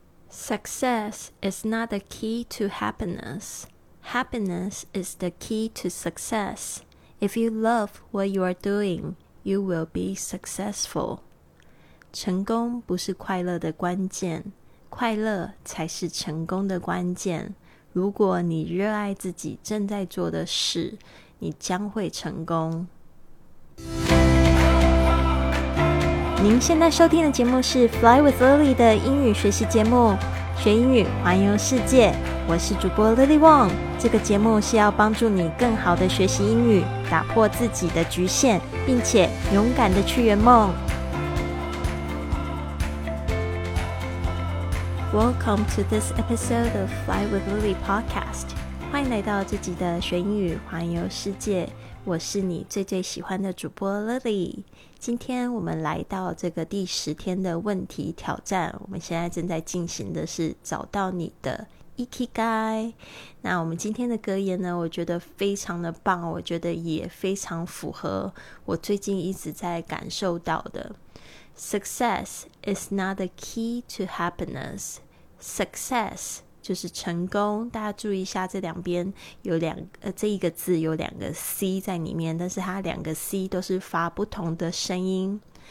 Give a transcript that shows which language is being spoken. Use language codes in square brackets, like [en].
[en] Success is not the key to happiness. Happiness is the key to success. If you love what you are doing, you will be successful. [zh] 成功不是快乐的关键，快乐才是成功的关键。如果你热爱自己正在做的事，你将会成功。您现在收听的节目是 Fly with Lily 的英语学习节目，学英语环游世界，我是主播 Lily Wong。这个节目是要帮助你更好的学习英语，打破自己的局限，并且勇敢的去圆梦。 [en] Welcome to this episode of Fly with Lily podcast， [zh] 欢迎来到自己的学英语环游世界，我是你最最喜欢的主播 Lily。今天我们来到这个第十天的问题挑战，我们现在正在进行的是找到你的 Ikigai。那我们今天的格言呢，我觉得非常的棒，我觉得也非常符合我最近一直在感受到的。 [en] Success is not the key to happiness. [zh] Success 就是成功，大家注意一下，这两边有两这一个字有两个 C 在里面，但是它两个 C 都是发不同的声音。